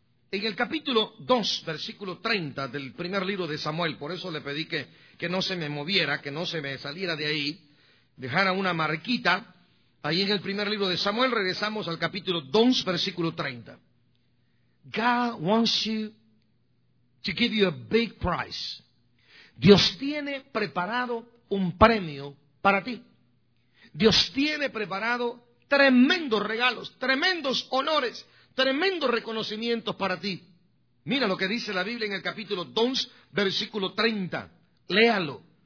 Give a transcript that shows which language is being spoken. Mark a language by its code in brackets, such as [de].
[es] En el capítulo 2, versículo 30 del primer libro de Samuel, por eso le pedí que no se me moviera, que no se me saliera de ahí, dejara una marquita, ahí en el primer libro de Samuel, regresamos al capítulo 2, versículo 30. [en] God wants you to give you a big prize. [es] Dios tiene preparado un premio para ti. Dios tiene preparado tremendos regalos, tremendos honores, tremendos reconocimientos para ti. Mira lo que dice la Biblia en el capítulo 2, versículo 30. Léalo.